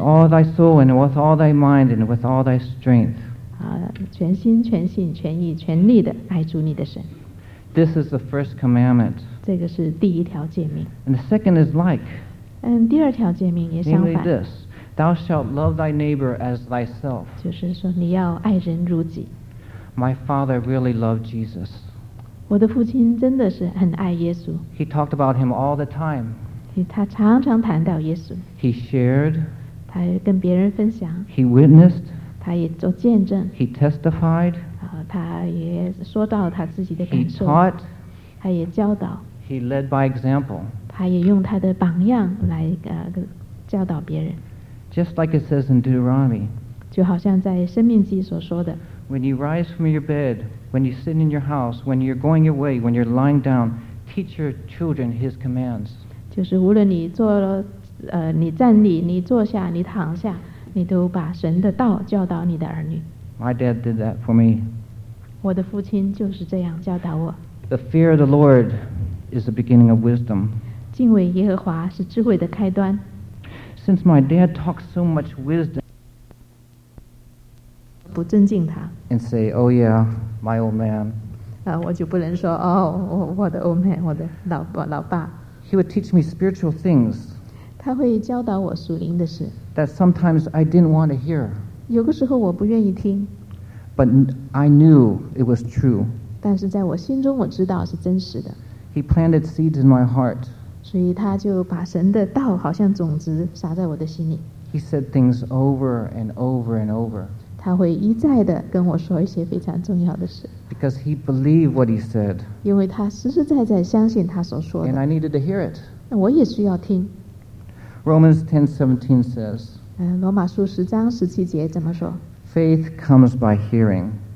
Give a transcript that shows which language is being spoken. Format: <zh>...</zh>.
<en>With all thy soul and with all thy mind and with all thy strength</en> <zh>全心全心全意全力的爱主你的神</zh> <en>This is the first commandment</en> <zh>这个是第一条诫命</zh> <en>And the second is like</en> <zh>And 第二条诫命也相反</zh> <en>Namely this, thou shalt love thy neighbor as thyself.</en> <zh>就是说你要爱人如己。</zh> <en>My father really loved Jesus.</en> <zh>我的父亲真的是很爱耶稣。</zh> <en>He talked about him all the time.</en> <zh>他常常谈到耶稣。</zh> <en>He shared.</en> <zh>他跟别人分享。</zh> <en>He witnessed.</en> <zh>他也做见证。</zh> <en>He testified.</en> <zh>他也说到他自己的感受。</zh> <en>He taught.</en> <zh>他也教导。</zh> <en>He led by example.</en> <zh>他也用他的榜样来教导别人。</zh> <en>Just like it says in Deuteronomy.</en> <zh>就好像在《生命记》所说的。</zh> <en>When you rise from your bed, when you sit in your house, when you're going your way, when you're lying down, teach your children his commands.</en> <zh>就是无论你坐你站立，你坐下，你躺下，你都把神的道教导你的儿女。</zh> <en>My dad did that for me.</en> <zh>我的父亲就是这样教导我。</zh> <en>The fear of the Lord. Is the beginning of wisdom.</en> <zh>敬畏耶和华是智慧的开端。</zh> <en>Since my dad talks so much wisdom,</en> <zh>不尊敬他。</zh> <en>And say, "Oh yeah, my old man."</en> <zh>我就不能说哦，我的</zh> <en>old man，</en> <zh>我的老爸。</zh> <en>He would teach me spiritual things.</en> <zh>他会教导我属灵的事。</zh> <en>That sometimes I didn't want to hear.</en> <zh>有个时候我不愿意听。</zh> <en>But I knew it was true.</en> <zh>但是在我心中我知道是真实的。</zh> <en>He planted seeds in my heart.</en> <zh>所以他就把神的道好像种子撒在我的心里。</zh> <en>He said things over and over and over.</en> <zh>他会一再的跟我说一些非常重要的事。</zh> <en>Because he believed what he said.</en> <zh>因为他实实在在相信他所说的。</zh> <en>And I needed to hear it.</en> <zh>我也需要听。</zh> <en>Romans 10:17 says.</en> <zh>罗马书十章十七节怎么说？</zh> <en>Faith comes by hearing.</en>